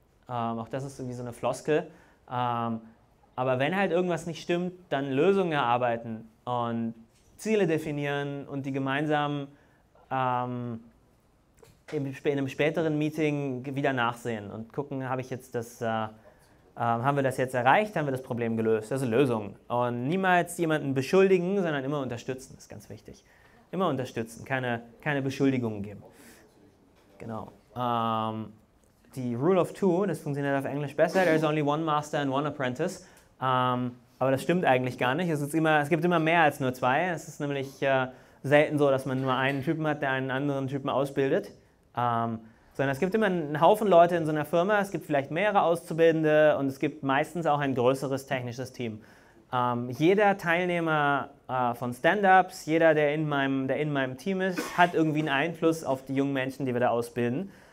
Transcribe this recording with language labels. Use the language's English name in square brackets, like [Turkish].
[German] Auch das ist irgendwie so eine Floskel. Aber wenn halt irgendwas nicht stimmt, dann Lösungen erarbeiten und Ziele definieren und die gemeinsam in einem späteren Meeting wieder nachsehen und gucken, haben wir das jetzt erreicht, haben wir das Problem gelöst, also Lösungen. Und niemals jemanden beschuldigen, sondern immer unterstützen, das ist ganz wichtig. Immer unterstützen, keine Beschuldigungen geben. Genau. Die Rule of Two, das funktioniert auf Englisch besser. [English] There is only one master and one apprentice. [German] Aber das stimmt eigentlich gar nicht. Es gibt immer mehr als nur zwei. Es ist nämlich selten so, dass man nur einen Typen hat, der einen anderen Typen ausbildet. Sondern es gibt immer einen Haufen Leute in so einer Firma. Es gibt vielleicht mehrere Auszubildende und es gibt meistens auch ein größeres technisches Team. Jeder Teilnehmer von Stand-Ups, jeder, der in meinem Team ist, hat irgendwie einen Einfluss auf die jungen Menschen, die wir da ausbilden.